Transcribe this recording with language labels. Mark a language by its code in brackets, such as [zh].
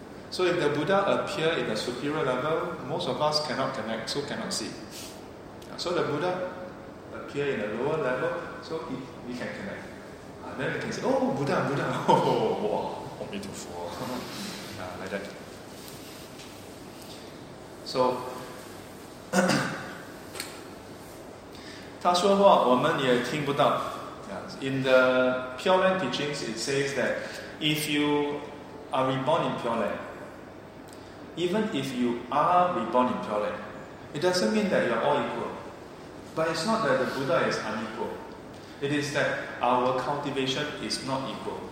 [en] So if the Buddha appear in a superior level, most of us cannot connect, so cannot see. So the Buddha appear in a lower level, so we can connect. And then we can say, oh, Buddha, Buddha, oh, wow, Om Mito Pho, like that. [zh] So, 他说话我们也听不到. [en] In the Pure Land teachings, it says that if you are reborn in Pure Land, even if you are reborn in Pure Land, it doesn't mean that you are all equal. But it's not that the Buddha is unequal. It is that our cultivation is not equal.